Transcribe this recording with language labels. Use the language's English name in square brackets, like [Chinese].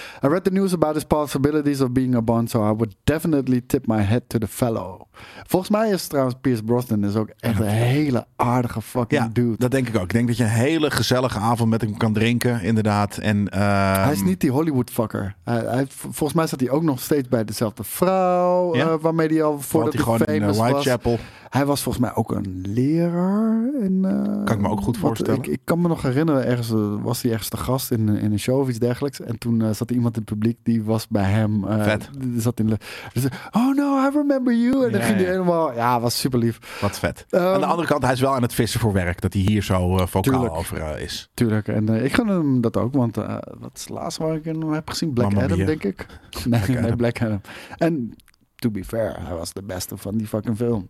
[English] I read the news about his possibilities of being a Bond, so I would definitely tip my hat to the fellow. [Dutch] Volgens mij is trouwens Pierce Brosnan is ook echt een hele aardige fucking dude. Ja, dat denk ik ook. Ik denk dat je een hele gezellige avond met hem kan drinken, inderdaad. En hij is niet die Hollywood fucker. Volgens mij zat hij ook nog steeds bij dezelfde vrouw, waarmee hij al voordat hij famous in, Whitechapel. Was. Hij was volgens mij ook een leraar. In, kan ik me ook goed voorstellen. Ik kan me nog herinneren, ergens was hij ergens de gast in een show of iets dergelijks. En toen zat er iemand in het publiek, die was bij hem. Vet. Zat in [English] oh no, I remember you. [Dutch] En dan ging hij helemaal, was super lief. Wat vet. Aan de andere kant, hij is wel aan het vissen voor werk, dat hij hier zo vocaal over is. Tuurlijk. En ik gun hem dat ook, want dat is laatst waar ik hem heb gezien. Black Mama Adam, Bier. Denk ik. Nee, Black Adam. En [English] to be fair, [Dutch] hij was de beste van die fucking film.